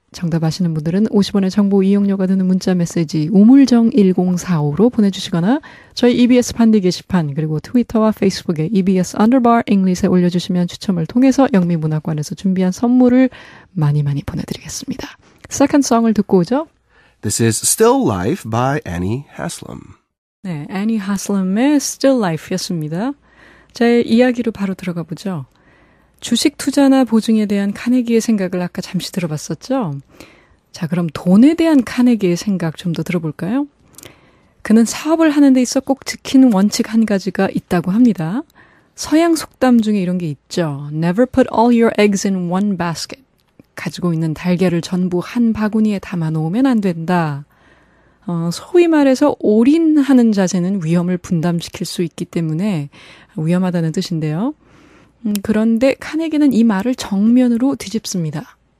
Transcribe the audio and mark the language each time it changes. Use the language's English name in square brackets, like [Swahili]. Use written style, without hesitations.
[Korean] 정답 아시는 분들은 50원의 정보 이용료가 드는 문자 메시지 우물정1045로 보내주시거나 저희 EBS 반디 게시판 그리고 트위터와 페이스북에 EBS Underbar English에 올려주시면 추첨을 통해서 영미문학관에서 준비한 선물을 많이 많이 보내드리겠습니다. [English] Second song [Korean] 을 듣고 오죠. [English] This is Still Life by Annie Haslam. [Korean] 네, Annie Haslam의 Still Life였습니다. 제 이야기로 바로 들어가 보죠. 주식 투자나 보증에 대한 카네기의 생각을 아까 잠시 들어봤었죠? 자, 그럼 돈에 대한 카네기의 생각 좀 더 들어볼까요? 그는 사업을 하는 데 있어 꼭 지킨 원칙 한 가지가 있다고 합니다. 서양 속담 중에 이런 게 있죠. [English] Never put all your eggs in one basket. [Korean] 가지고 있는 달걀을 전부 한 바구니에 담아놓으면 안 된다. 소위 말해서 올인하는 자세는 위험을 분담시킬 수 있기 때문에 위험하다는 뜻인데요. 그런데 카네기는 이 말을 정면으로 뒤집습니다.